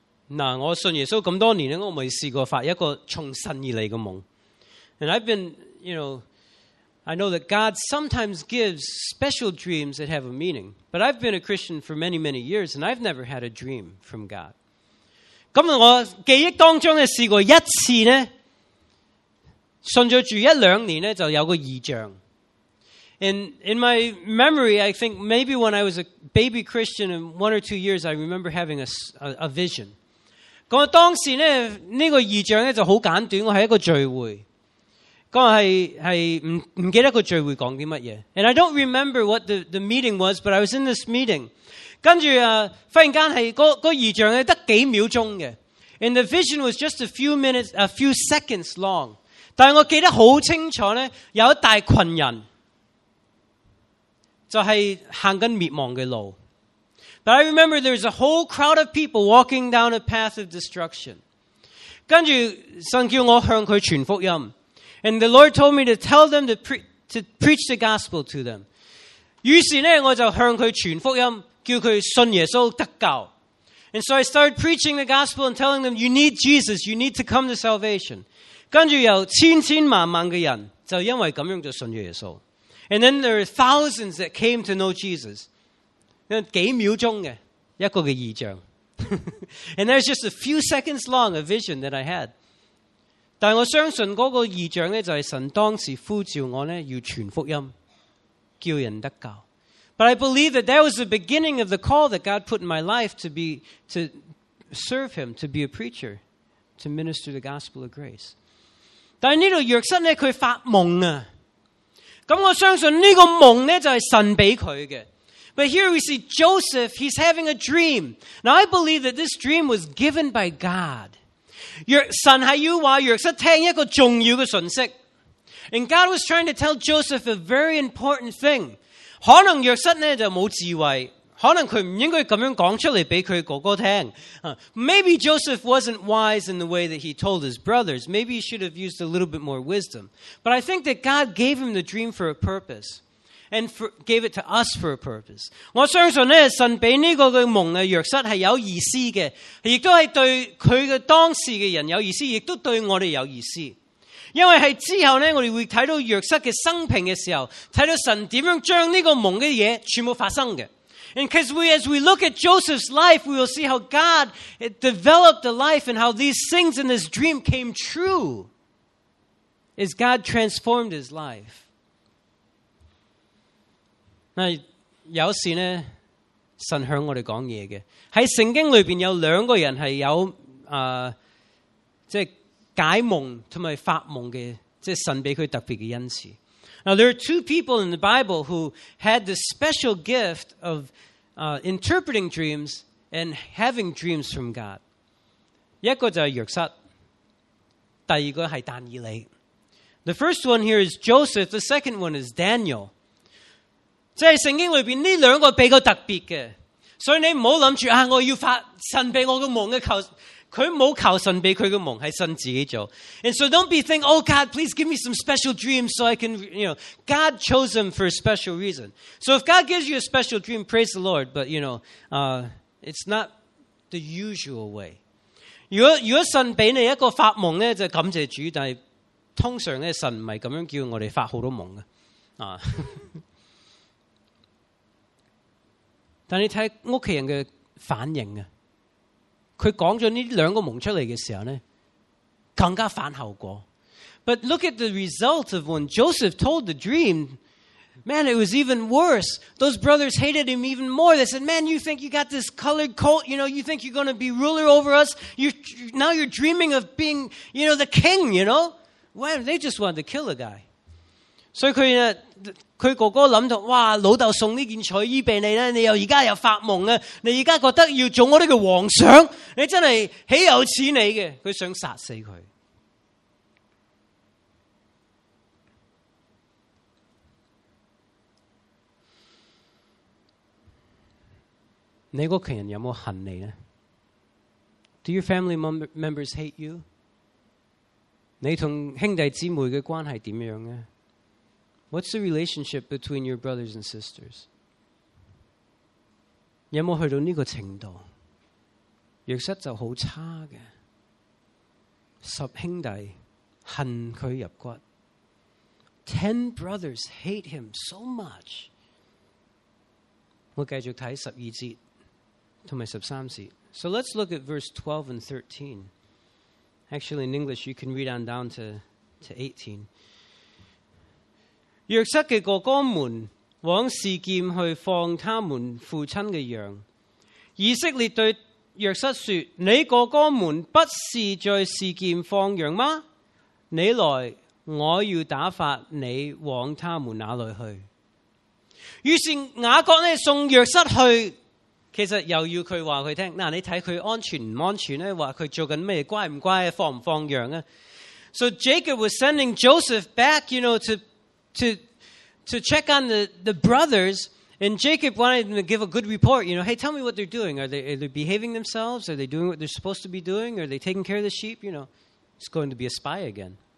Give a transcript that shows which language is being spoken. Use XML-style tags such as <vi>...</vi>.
<yue>嗱，我信耶稣咁多年咧，我未试过发一个从神而嚟嘅梦。</yue> <en>And I've been, you know, I know that God sometimes gives special dreams that have a meaning. But I've been a Christian for many, many years, and I've never had a dream from God.</en> <yue>咁我记忆当中咧试过一次咧，信咗住一两年咧就有个异象。</yue> <en>In my memory, I think maybe when I was a baby Christian in 1 or 2 years, I remember having a vision.</en> <yue>咁当时咧呢个异象咧就好简短，我系一个聚会。</yue> <en>And I don't remember what the meeting was, but I was in this meeting.</en> <yue>跟住忽然间系个异象得几秒钟嘅。</yue> <en>And the vision was just a few seconds long.</en> <yue>但我记得好清楚呢，有一大群人就系行緊滅亡嘅路。</yue> <en>But I remember there was a whole crowd of people walking down a path of destruction.</en> <yue>跟住神叫我向佢传福音。</yue> <en>And the Lord told me to tell them to preach the gospel to them.</en> <yue>于是呢，我就向佢传福音，叫佢信耶稣得救。</yue> <en>And so I started preaching the gospel and telling them, you need Jesus, you need to come to salvation.</en> <yue>跟住有千千万万嘅人就因为咁样就信耶稣。</yue> <en>And then there are thousands that came to know Jesus.</en> <yue>几秒钟嘅一个嘅异象。</yue> <en>And there's just a few seconds long a vision that I had.</en> <yue>但我相信嗰个异象呢就是神当时呼召我呢要传福音叫人得救。</yue> <en>But I believe that that was the beginning of the call that God put in my life to be to serve Him, to be a preacher, to minister the gospel of grace.</en> <yue>但呢度约瑟呢佢发梦啊，咁我相信呢个梦呢就系神俾佢嘅。</yue> <en>But here we see Joseph; he's having a dream. Now I believe that this dream was given by God.</en> <yue>神系要话约瑟听一个重要嘅信息 ，</yue> <en>and God was trying to tell Joseph a very important thing.</en> <yue>可能约瑟呢就冇智慧，可能佢唔应该咁样讲出嚟俾佢哥哥听。</yue> <en>Maybe Joseph wasn't wise in the way that he told his brothers. Maybe he should have used a little bit more wisdom. But I think that God gave him the dream for a purpose, and gave it to us for a purpose.</en> <yue>我相信呢神俾呢个嘅梦啊，约瑟系有意思嘅，亦都系对佢嘅当时嘅人有意思，亦都对我哋有意思。因为系之后咧，我哋会睇到约瑟嘅生平嘅时候，睇到神点样将呢个梦嘅嘢全部发生嘅。</yue> <en>And because we, as we look at Joseph's life, we will see how God developed the life and how these things in this dream came true. As God transformed his life.</en> <yue>那有时呢，神向我哋讲嘢嘅喺圣经里边有两个人系有即系。解梦同埋发梦嘅，即系神俾佢特别嘅恩赐。</yue> <en>Now there are two people in the Bible who had the special gift of interpreting dreams and having dreams from God.</en> <yue>一个就系约瑟，第二个系但以理。</yue> <en>The first one here is Joseph. The second one is Daniel.</en> <yue>即系圣经里边呢两个俾个特别嘅，所以你唔好谂住啊，我要发神俾我嘅梦嘅求。佢冇求神俾佢嘅梦，系神自己做。</yue> <en>And so don't be thinking, oh God, please give me some special dreams so I can, you know, God chose them for a special reason. So if God gives you a special dream, praise the Lord, but you know, it's not the usual way.</en> <yue>如果神俾你一个发梦咧，就感谢主。但系通常咧，神唔系咁样叫我哋发好多梦嘅啊。但你睇屋企人嘅反应啊。佢讲咗呢两个梦出嚟嘅时候咧，更加反效果。</yue> <en>But look at the result of when Joseph told the dream. Man, it was even worse. Those brothers hated him even more. They said, "Man, you think you got this colored coat? You know, you think you're going to be ruler over us? You're dreaming of being, you know, the king. You know, well, they just wanted to kill a guy."</en> <yue>所以佢哥哥谂到，哇，老豆送呢件彩衣俾你咧，你又而家又发梦啊！你而家觉得要做我呢个皇上，你真系岂有此理嘅？佢想杀死佢。你屋企人有冇恨你咧 ？</yue> <en>Do your family members hate you？</en> <yue>你同兄弟姊妹嘅关系点样咧？</yue> <en>What's the relationship between your brothers and sisters?</en> <yue>有冇去到呢个程度？约瑟就好差嘅，十兄弟恨佢入骨。</yue> <en>10 brothers hate him so much.</en> <yue>我继续睇十二节同埋十三节。</yue> <en>So let's look at verse 12 and 13. Actually, in English, you can read on down to 18.</en> <yue>约瑟的哥哥们往示剑去放他们父亲的羊。以色列对约瑟说，你哥哥们不是在示剑放羊吗？你来，我要打发你往他们那里去。于是雅各呢送约瑟去，其实又要他告诉他，那你看他安全不安全呢？说他做什么，乖不乖，放不放羊啊？</yue> <en>So Jacob was sending Joseph back, you know, to check on the brothers, and Jacob wanted them to give a good report. You know, hey, tell me what they're doing. Are they behaving themselves? Are they doing what they're supposed to be doing? Are they taking care of the sheep? You know, it's going to be a spy again.</en>